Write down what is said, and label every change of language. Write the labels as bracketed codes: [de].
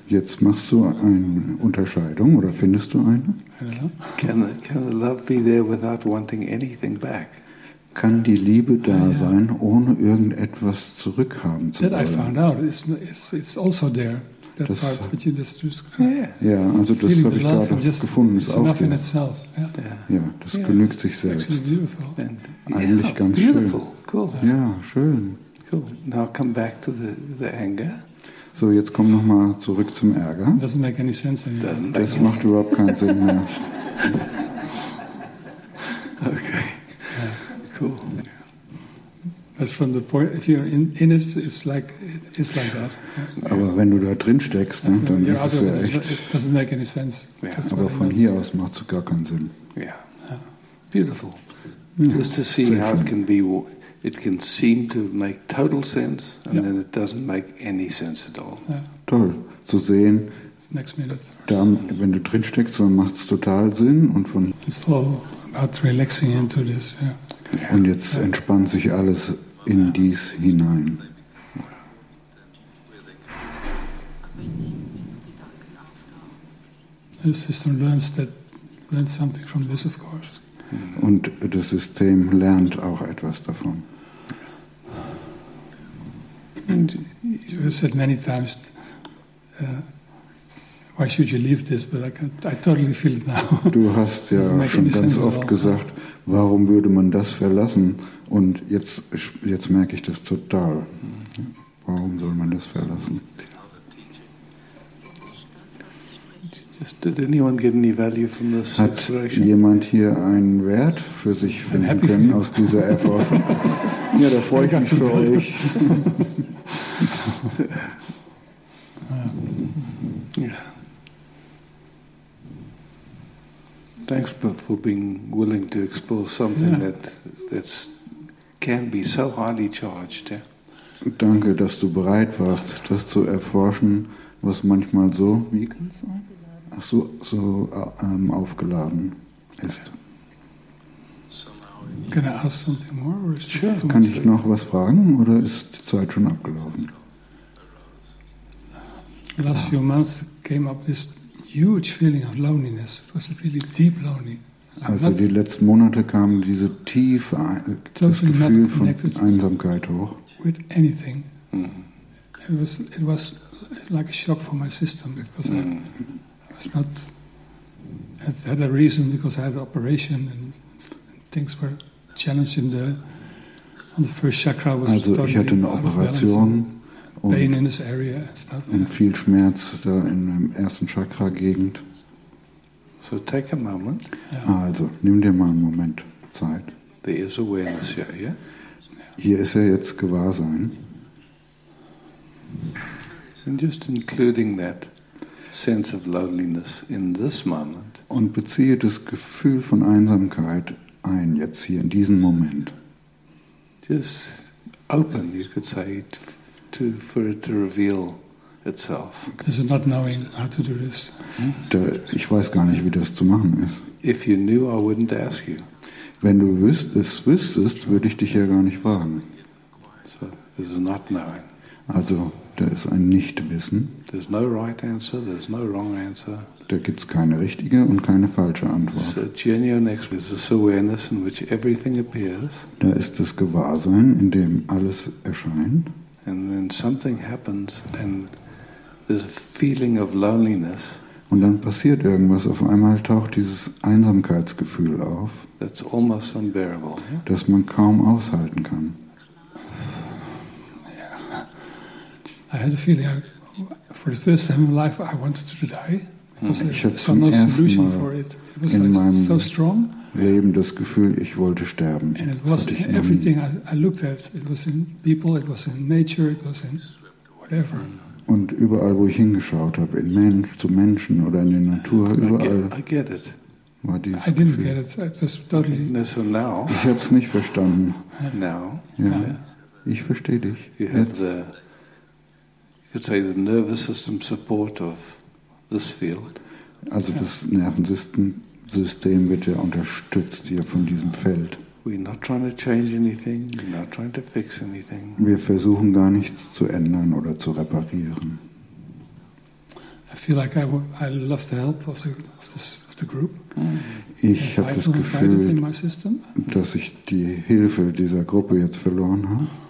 [de] Jetzt machst du eine Unterscheidung oder findest du eine? [en] Can the love be there without wanting anything back? [de] Kann die Liebe da sein, ohne irgendetwas zurückhaben zu wollen? [en] That I found out it's also there. That das, part that you just [de] Ja, also das habe ich gerade gefunden. [en] It's enough in itself. Yeah. [de] Yeah. Ja, das genügt it's sich selbst. Eigentlich ganz [en] beautiful. [de] Schön. [en] Cool. [de] Ja, schön. [en] Cool. Now come back to the anger. [de] So, jetzt komm noch mal zurück zum Ärger. [en] Doesn't make any sense anymore. Das macht überhaupt keinen Sinn mehr. Okay. Cool. But from the point, if you're in it, it's like that. Yeah. [de] Aber wenn du da drin steckst, ne, dann ist es ja echt. [en] It doesn't make any sense. Yeah. [de] Aber von hier aus macht es gar keinen Sinn. [en] Yeah. Beautiful. Yeah. Just to see how it can be. It can seem to make total sense, and then it doesn't make any sense at all. Yeah. [de] Toll, zu sehen. [en] It's next minute. [de] Dann, wenn du drin steckst, dann macht's total Sinn und von. [en] It's all about relaxing into this. Yeah. [de] Und jetzt entspannt sich alles in dies hinein. [en] The system learns something from this, of course. [de] Und das System lernt auch etwas davon. [en] And you have said many times, why should you leave this? But I totally feel it now. [de] Du hast ja schon ganz oft gesagt, warum würde man das verlassen? Und jetzt merke ich das total. Warum soll man das verlassen? [en] Just, did anyone get any value from this situation? [de] Hat jemand hier einen Wert für sich finden können aus dieser Erfahrung? Ja, da freue ich mich für euch. [en] Thanks for being willing to explore something that's can be so highly charged. Yeah? [de] Danke, dass du bereit warst, das zu erforschen, was manchmal so wie kann es so aufgeladen ist. [en] Can I ask something more? Or is sure. [de] Kann ich noch was fragen oder ist die Zeit schon abgelaufen? [en] Last few months came up this huge feeling of loneliness. It was really deep loneliness. [de] Also die letzten Monate kam diese tiefe das Gefühl von Einsamkeit hoch. [en] With anything. Mm-hmm. It was like a shock for my system because I was not. I had a reason because I had an operation and things were challenged in the on the first chakra. [de] Was also ich hatte eine Operation. [en] Pain in this area and stuff. [de] Und viel Schmerz da in der ersten Chakra-Gegend. [en] So take a moment. [de] Yeah. Also, nimm dir mal einen Moment Zeit. [en] There is awareness here, yeah? [de] Hier ist ja jetzt Gewahrsein. [en] And just including that sense of loneliness in this moment. [de] Und beziehe das Gefühl von Einsamkeit ein, jetzt hier in diesem Moment. [en] Just open, you could say, for it to reveal itself. Is it not knowing how to do this? [de] Ich weiß gar nicht, wie das zu machen ist. [en] If you knew, I wouldn't ask you. [de] Wenn du wüsstest, würde ich dich ja gar nicht fragen. [en] So, there's a not knowing. [de] Also, da ist ein Nichtwissen. [en] There's no right answer, there's no wrong answer. [de] Da gibt's keine richtige und keine falsche Antwort. [en] It's a genuine experience. It's awareness in which everything appears. [de] Da ist das Gewahrsein, in dem alles erscheint. [en] And then something happens, and there's a feeling of loneliness. [de] Und dann passiert irgendwas, auf einmal taucht dieses Einsamkeitsgefühl auf, [en] that's almost unbearable, yeah? [de] Das man kaum aushalten kann. [en] Yeah. I had a feeling for the first time in life I wanted to die. [de] Ich hatte zum ersten Mal in meinem Leben das Gefühl, ich wollte sterben. [en] And it was in everything I looked at. It was in people, it was in nature, it was in whatever. [de] Und überall, wo ich hingeschaut habe, in Mensch, zu Menschen oder in der Natur, überall war dieses Gefühl. [en] I didn't get it. It was totally... So now, [de] ich habe es nicht verstanden. [en] Now, [de] ja. Ich verstehe dich. [en] You have the, you could say the nervous system support of this field. [de] Also das Nervensystem wird ja unterstützt hier von diesem Feld. [en] We're not trying to change anything. We're not trying to fix anything. [de] Wir versuchen gar nichts zu ändern oder zu reparieren. [en] I feel like I love the help of the group. [de] Ich habe das Gefühl, dass ich die Hilfe dieser Gruppe jetzt verloren habe.